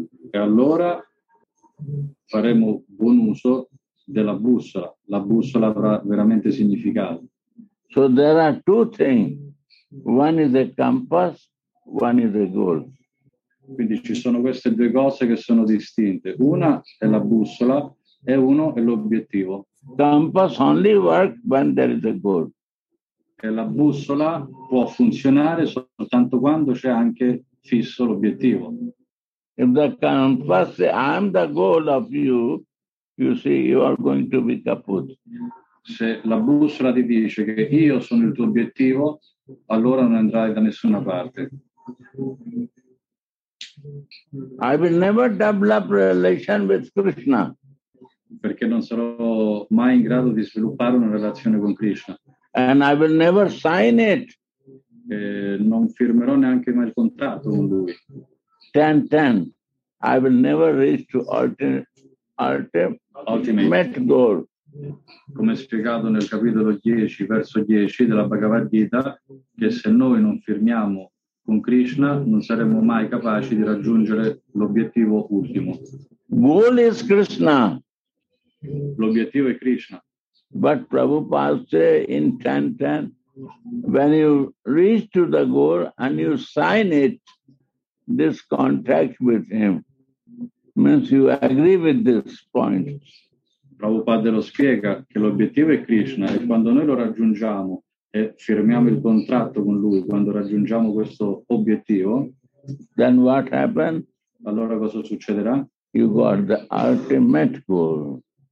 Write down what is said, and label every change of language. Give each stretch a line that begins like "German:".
Italian: E allora faremo buon uso della bussola. La bussola avrà veramente significato.
English: So there are two things. One is a compass, one is a goal.
Italian: Quindi ci sono queste due cose che sono distinte. Una è la bussola e uno è l'obiettivo.
English: Compass only works when there is a goal.
Italian: E la bussola può funzionare soltanto quando c'è anche fisso l'obiettivo.
English: If the compass says, I'm the goal of you, you see, you are going to be kaput.
Italian: Se la bussola ti dice che io sono il tuo obiettivo, allora non andrai da nessuna parte.
English: I will never develop relation with Krishna.
Italian: Perché non sarò mai in grado di sviluppare una relazione con Krishna.
English: And I will never sign it.
Italian: E non firmerò neanche mai il contratto con lui.
English: 10-10. I will never reach to ultimate goal.
Italian: Come spiegato nel capitolo 10, verso 10 della Bhagavad Gita, che se noi non firmiamo con Krishna non saremo mai capaci di raggiungere l'obiettivo ultimo.
English: Goal is Krishna.
Italian: L'obiettivo è Krishna.
English: But Prabhupada say in 10-10, when you reach to the goal and you sign it, this contract with him, means you agree with this point.
Italian: Prabhupada lo spiega che l'obiettivo è Krishna, e quando noi lo raggiungiamo e firmiamo il contratto con lui, quando raggiungiamo questo obiettivo,
English: then what happens?
Italian: Allora cosa succederà?
English: You got the ultimate goal.